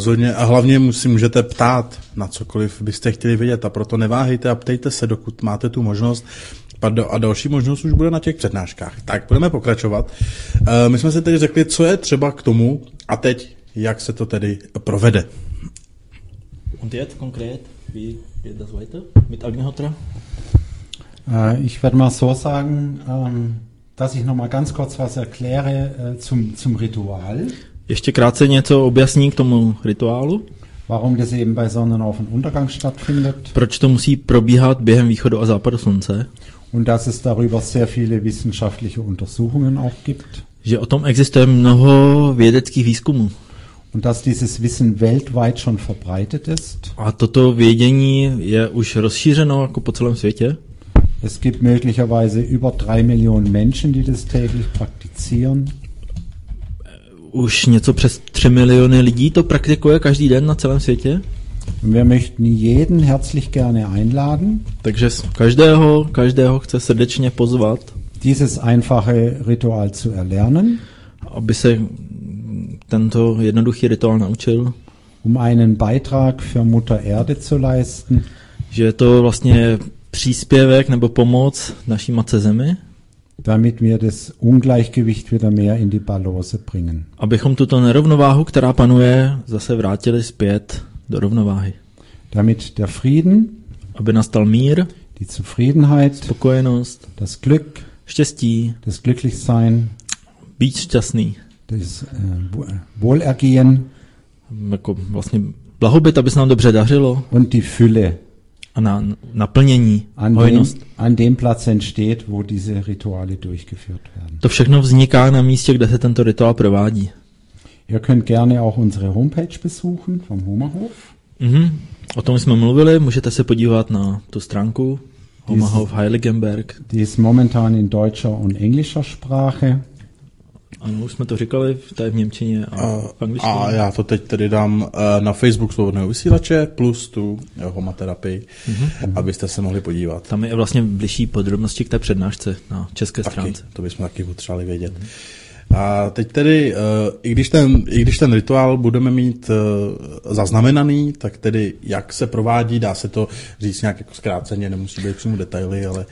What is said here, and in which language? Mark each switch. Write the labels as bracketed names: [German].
[Czech] Rozhodně, a hlavně můžete ptát na cokoliv byste chtěli vidět, a proto neváhejte a ptejte se, dokud máte tu možnost. A další možnost už bude na těch přednáškách. Tak, budeme pokračovat. My jsme se tedy řekli, co je třeba k tomu a teď, jak se to tedy provede. [German] Und jetzt konkret, wie geht das weiter mit Agnihotra? Ich werde mal so sagen, dass ich noch mal ganz kurz was erkläre zum Ritual. [Czech] Ještě krátce něco objasní k tomu rituálu. [German] Warum das eben bei Sonnenauf- und Untergang stattfindet. [Czech] Proč to musí probíhat během východu a západu slunce. [German] Und dass es darüber sehr viele wissenschaftliche Untersuchungen auch gibt. [Czech] Že o tom existuje mnoho vědeckých výzkumů. [German] Und dass dieses Wissen weltweit schon verbreitet ist. [Czech] A toto vědění je už rozšířeno jako po celém světě. [German] Es gibt möglicherweise über 3 Millionen Menschen, die das täglich praktizieren. [Czech] Už něco přes 3 miliony lidí to praktikuje každý den na celém světě. [German] Wir möchten jeden herzlich gerne einladen. [Czech] Takže každého chce srdečně pozvat. [German] Dieses einfache Ritual zu erlernen. [Czech] Aby se tento jednoduchý rituál naučil. [German] Um einen Beitrag für Mutter Erde zu leisten. [Czech] Že je to vlastně příspěvek nebo pomoc naší matce zemi. [German] Damit wir das Ungleichgewicht wieder mehr in die Balance bringen. [Czech] Abychom tuto nerovnováhu, která panuje, zase vrátili zpět do rovnováhy. [German] Damit der Frieden, [Czech] aby nastal mír, [German] die Zufriedenheit, [Czech] spokojenost, [German] das Glück, [Czech] štěstí, [German] das Glücklichsein, [Czech] být šťastný, [German] das Wohlergehen, [Czech] jako vlastně blahobyt, aby se nám dobře dařilo, [German] und die Fülle. [Czech] A na naplnění, hojnost. [German] An dem Platz entsteht, wo diese Rituale durchgeführt werden. [Czech] To všechno vzniká na místě, kde se tento rituál provádí. [German] Ihr könnt gerne auch unsere Homepage besuchen vom Homahof. Mm-hmm. [Czech] O tom jsme mluvili, můžete se podívat na tu stránku Homahof Heiligenberg. [German] Die ist momentan in deutscher und englischer Sprache. [Czech] Ano, už jsme to říkali, tady v němčině a v angličtině. A já to teď tedy dám na Facebook Svobodného vysílače plus tu homoterapii, mm-hmm. abyste se mohli podívat. Tam je vlastně bližší podrobnosti k té přednášce na české taky, stránce. To bychom taky potřebovali vědět. Mm-hmm. A teď tedy, i když ten rituál budeme mít zaznamenaný, tak tedy jak se provádí, dá se to říct nějak jako zkráceně, nemusí být přímo detaily, ale...